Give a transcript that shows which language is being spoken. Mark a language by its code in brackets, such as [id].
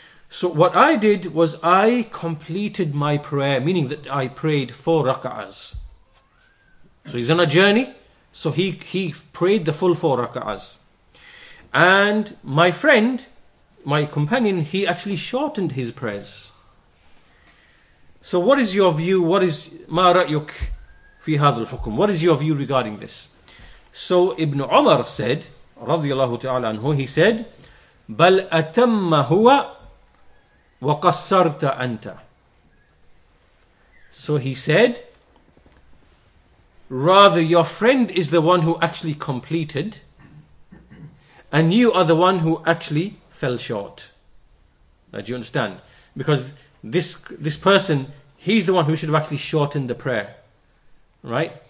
[en] So what I did was I completed my prayer, meaning that I prayed 4 raka'ahs. So he's on a journey, so he prayed the full 4 raka'ahs. And my friend, my companion, he actually shortened his prayers. So what is your view? What is [ar] ما رأيك في هذا الحكم? [en] What is your view regarding this? So Ibn Umar said, [ar] رضي الله تعالى عنه, [en] he said, [ar] بل أتم هو وقصرت أنت. [en] So he said, rather your friend is the one who actually completed, and you are the one who actually fell short. Now, do you understand? Because this person, he's the one who should have actually shortened the prayer. Right?